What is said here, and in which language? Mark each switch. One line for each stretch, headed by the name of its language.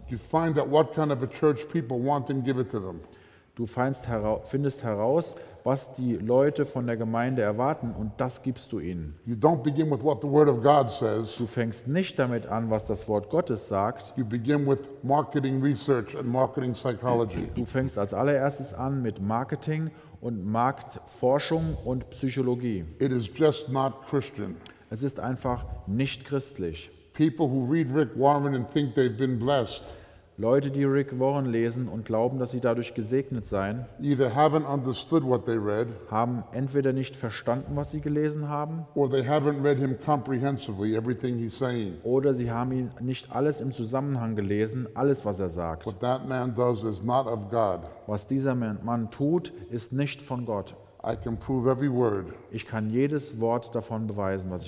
English: You find out what kind of a church people want and give it to them.
German: Du findest heraus, was die Leute von der Gemeinde erwarten, und das gibst du ihnen.
English: You don't begin with what the Word of God says.
German: Du fängst nicht damit an, was das Wort Gottes sagt.
English: You begin with marketing research and marketing psychology.
German: Du fängst als allererstes an mit Marketing und Marktforschung und Psychologie.
English: It is just not Christian.
German: Es ist einfach nicht christlich.
English: People who read Rick Warren and think they've been blessed,
German: Leute, die Rick Warren lesen und glauben, dass sie dadurch gesegnet seien,
English: either haven't understood what they read,
German: haben entweder nicht verstanden, was sie gelesen haben,
English: or they haven't read him comprehensively, everything he's saying.
German: Oder sie haben ihn nicht alles im Zusammenhang gelesen, alles, was er sagt.
English: What that man does is not of God.
German: Was dieser Mann tut, ist nicht von Gott.
English: I can prove every word.
German: Ich kann jedes Wort davon beweisen, was ich